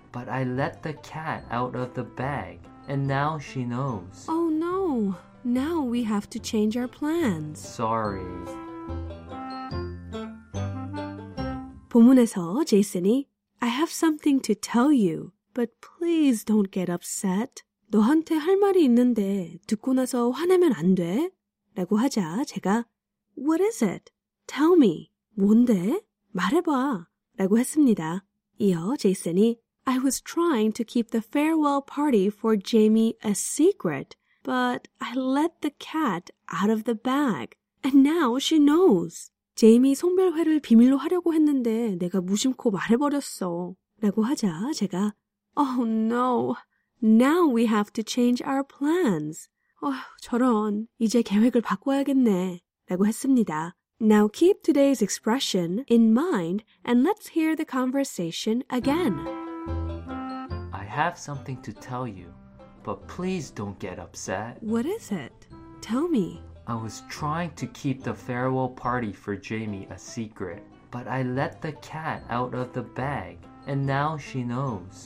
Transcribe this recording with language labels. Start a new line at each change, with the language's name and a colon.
English: But I let the cat out of the bag, and now she knows. Oh no, now we have to change our plans. Sorry.
Korean: 본문에서 제이슨이
English: I have something to tell you, but please don't get upset.
Korean: 너한테 할 말이 있는데 듣고 나서 화내면 안 돼? 라고 하자 제가
English: What is it? Tell me.
Korean: 뭔데? 말해봐. 라고 했습니다. 이어 제이슨이
English: I was trying to keep the farewell party for Jamie a secret, but I let the cat out of the bag, and now she knows.
Korean: 제이미 송별회를 비밀로 하려고 했는데 내가 무심코 말해버렸어. 라고 하자 제가
English: Oh no, now we have to change our plans.
Korean: 저런, 이제 계획을 바꿔야겠네. 라고 했습니다.
English: Now keep today's expression in mind and let's hear the conversation again. I have something to tell you, but please don't get upset. What is it? Tell me. I was trying to keep the farewell party for Jamie a secret, but I let the cat out of the bag, and now she knows.